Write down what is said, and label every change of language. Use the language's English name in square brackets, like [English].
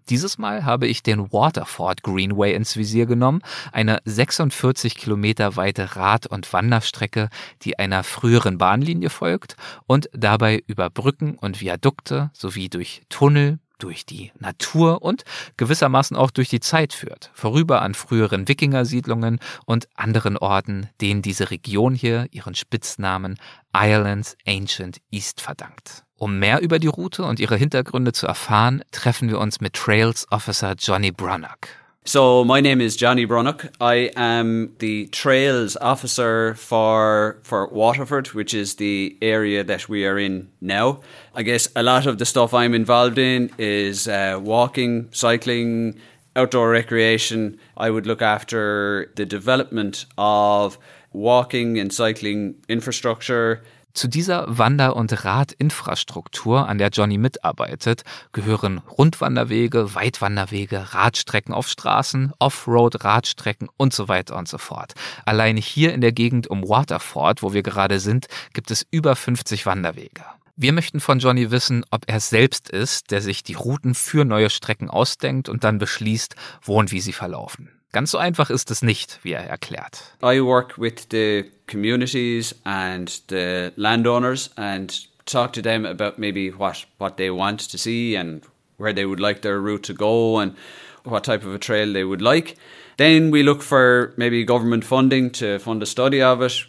[German] Dieses Mal habe ich den Waterford Greenway ins Visier genommen, eine 46 Kilometer weite Rad- und Wanderstrecke, die einer früheren Bahnlinie folgt und dabei über Brücken und Viadukte sowie durch Tunnel, durch die Natur und gewissermaßen auch durch die Zeit führt, vorüber an früheren Wikingersiedlungen und anderen Orten, denen diese Region hier ihren Spitznamen Ireland's Ancient East verdankt. Um mehr über die Route und ihre Hintergründe zu erfahren, treffen wir uns mit Trails Officer Johnny Brunock. [English] So, my name is Johnny Brunock. I am the Trails Officer for Waterford, which is the area that we are in now. I guess a lot of the stuff I'm involved in is walking, cycling, outdoor recreation. I would look after the development of walking and cycling infrastructure. [German] Zu dieser Wander- und Radinfrastruktur, an der Johnny mitarbeitet, gehören Rundwanderwege, Weitwanderwege, Radstrecken auf Straßen, Offroad-Radstrecken und so weiter und so fort. Allein hier in der Gegend um Waterford, wo wir gerade sind, gibt es über 50 Wanderwege. Wir möchten von Johnny wissen, ob er selbst ist, der sich die Routen für neue Strecken ausdenkt und dann beschließt, wo und wie sie verlaufen. Ganz so einfach ist es nicht, wie er erklärt. [English] I work with the communities and the landowners and talk to them about maybe what they want to see and where they would like their route to go and what type of a trail they would like. Then we look for maybe government funding to fund a study of it.